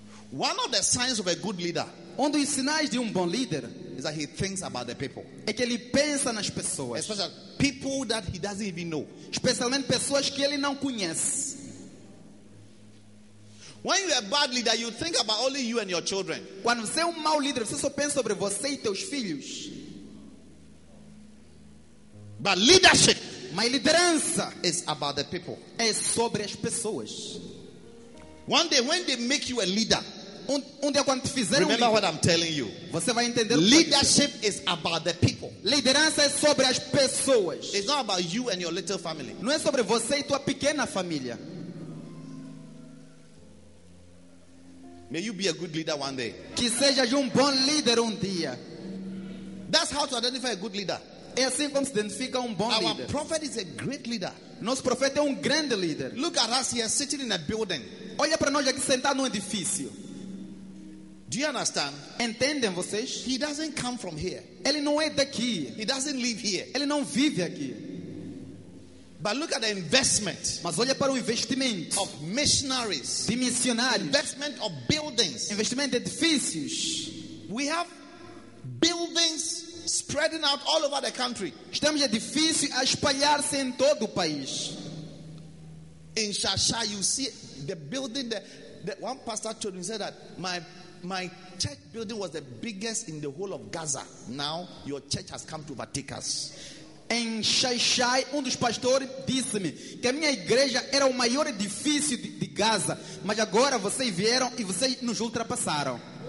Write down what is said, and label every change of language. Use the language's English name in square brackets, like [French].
[English] One of the signs of a good leader. [Portuguese] Um dos sinais de um bom líder [English] is that he thinks about the people. [Portuguese] É que ele pensa nas pessoas. [English] Especially people that he doesn't even know. [Portuguese] Especialmente pessoas que ele não conhece. [English] When you are a bad leader, you think about only you and your children. [Portuguese] Quando você é mau líder, você só pensa sobre você e teus filhos. [English] But leadership, [Portuguese] my liderança, [English] is about the people. [Portuguese] É sobre as pessoas. [English] One day when they make you a leader, remember what I'm telling you. [Portuguese] Você vai entender. [English] Leadership is about the people. [Portuguese] Liderança é sobre as pessoas. [English] It's not about you and your little family. [Portuguese] Não é sobre você e tua pequena família. [English] May you be a good leader one day. [Portuguese] Que seja um bom líder dia. [English] That's how to identify a good leader. [Portuguese] É assim como se identifica bom our líder. [English] Our prophet is a great leader. [Portuguese] Nosso profeta é grande líder. [English] Look at us here sitting in a building. [Portuguese] Olha para nós aqui sentado num edifício. [English] Do you understand? [Portuguese] Entendem vocês? [English] He doesn't come from here. [Portuguese] Ele não é daqui. [English] He doesn't live here. [Portuguese] Ele não vive aqui. [English] But look at the investment. [Portuguese] Mas olha para o investimento. [English] Of missionaries. [Portuguese] De missionários. [English] Investment of buildings. [Portuguese] Investimento de edifícios. [English] We have buildings spreading out all over the country. [Portuguese] Estamos edifícios a espalhar-se em todo o país. [English] In Shasha, you see the building that one pastor told me, said that my church building was the biggest in the whole of Gaza. Now your church has come to overtake us. [Portuguese] Em Shashai, dos pastores disse-me que a minha igreja era o maior edifício de Gaza, mas agora vocês vieram e vocês nos ultrapassaram.